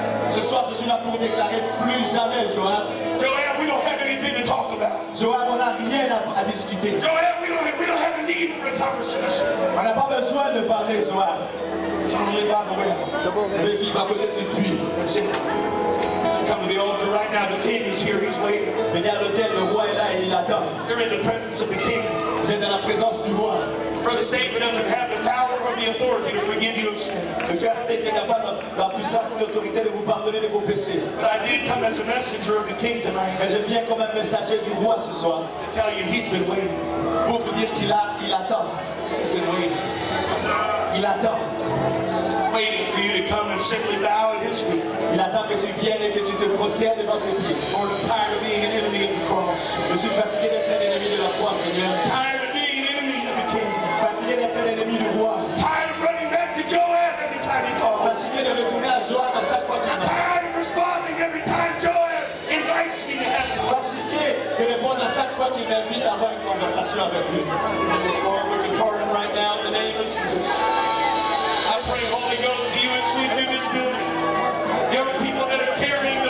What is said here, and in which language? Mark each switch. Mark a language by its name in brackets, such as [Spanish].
[French] Ce soir, je suis là pour déclarer plus jamais, Joab. [English] Joab, we don't have anything to talk about. [French] Joab, on n'a rien à discuter. [English] Joab, we don't have a need for a conversation. [French] On n'a pas besoin de parler, Joab. Je vais vivre à côté du puits. [English] Come to the altar right now. The king is here. He's waiting. [French] Venez à l'autel. Le roi est là et il attend. [English] You're in the presence of the king. [French] Vous êtes dans la présence du roi. [English] Brother Satan doesn't have the power or the authority to forgive you of sin. [French] Le frère Satan n'a pas la puissance et l'autorité de vous pardonner de vos péchés. [English] But I did come as a messenger of the king tonight. [French] Mais je viens comme un messager du roi ce soir. [English] To tell you he's been waiting. [French] Pour vous dire qu'il a, il attend. [English] He's been waiting. [French] Il attend. [English] Waiting for you to come and simply bow at his feet. [French] Il attend que tu viennes et que tu te prosternes devant ses pieds. [English] Lord, I'm tired of being an enemy of the cross. [French] Je suis fatigué d'être un ennemi de la croix, Seigneur. [English] Tired of being an enemy of the king. [French] Fatigué d'être un ennemi du roi. [English] Tired of running back to Joab every time he calls. [French] Fatigué de retourner à Joab à chaque fois qu'il m'appelle. [English] I'm tired of responding every time Joab invites me to have a conversation. [French] Fatigué de répondre à chaque fois qu'il m'invite à avoir une conversation avec lui. [English] Lord, we're departing right now in the name of Jesus. I pray, Holy Ghost, that you would sweep through this building. There are people that are carrying.